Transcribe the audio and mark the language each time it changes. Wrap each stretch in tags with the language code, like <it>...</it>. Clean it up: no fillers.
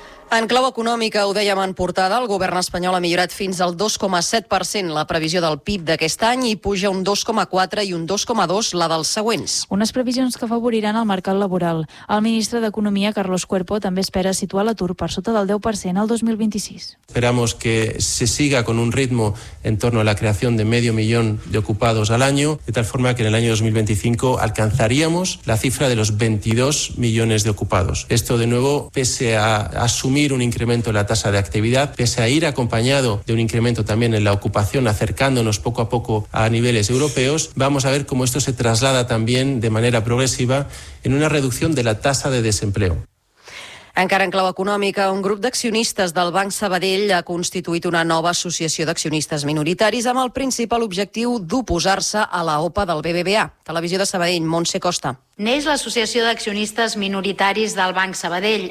<ca>En clau econòmica, ho dèiem en portada, el govern espanyol ha millorat fins al 2,7% la previsió del PIB d'aquest any i puja un 2,4 i un 2,2 la dels següents. Unes previsions que afavoriran el mercat laboral. El ministre d'Economia, Carlos Cuerpo, també espera situar l'atur per sota del 10% al 2026.</ca> <es>Esperamos que se siga con un ritmo en torno a la creación de medio millón de ocupados al año, de tal forma que en el año 2025 alcanzaríamos la cifra de los 22 millones de ocupados. Esto, de nuevo, pese a asumir un incremento en la tasa de actividad, pese a ir acompañado de un incremento también en la ocupación, acercándonos poco a poco a niveles europeos, vamos a ver cómo esto se traslada también de manera progresiva en una reducción de la tasa de desempleo.</es> <ca>Encara en clau econòmica, un grup d'accionistes del Banc Sabadell ha constituït una nova associació d'accionistes minoritaris amb el principal objectiu d'oposar-se a la OPA del BBVA. Televisió de Sabadell, Montse Costa. N'és l'Associació d'Accionistes Minoritaris del Banc Sabadell.</ca>